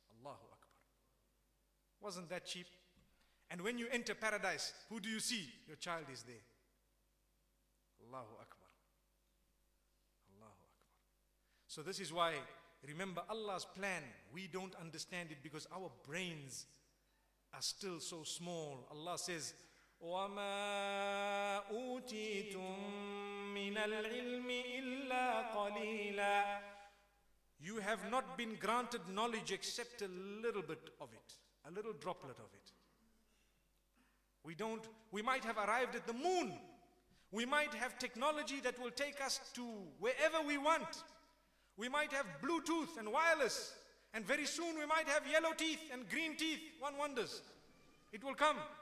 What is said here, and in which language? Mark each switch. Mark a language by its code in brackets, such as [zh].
[en] Allahu Akbar. Wasn't that cheap? And when you enter paradise, who do you see? Your child is there. Allahu Akbar. Allahu Akbar. So this is why, remember Allah's plan, we don't understand it because our brains are still so small. Allah says, [ar] وَمَا أُوتِيتُم مِّنَ الْعِلْمِ إِلَّا قَلِيلًا. [en] You have not been granted knowledge except a little bit of it, a little droplet of it. We might have arrived at the moon. We might have technology that will take us to wherever we want. We might have Bluetooth and wireless. And very soon we might have yellow teeth and green teeth. One wonders. It will come.